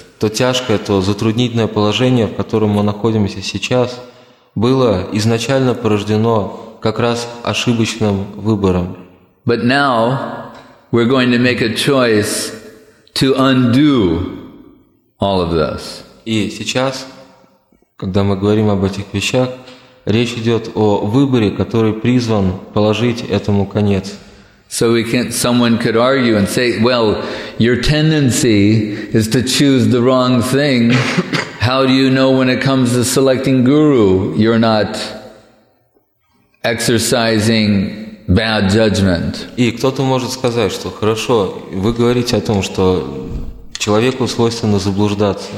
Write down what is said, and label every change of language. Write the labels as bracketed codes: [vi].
[ru] То тяжкое, то затруднительное положение, в котором мы находимся сейчас, было изначально порождено как раз ошибочным выбором. [en] But now we're going to make a choice to undo all of this. [ru] И сейчас, когда мы говорим об этих вещах, речь идет о выборе, который призван положить этому конец. [en] So we can't, someone could argue and say, well, your tendency is to choose the wrong thing. How do you know when it comes to selecting guru, you're not exercising bad judgment? [ru] И кто-то может сказать, что хорошо, вы говорите о том, что человеку свойственно заблуждаться.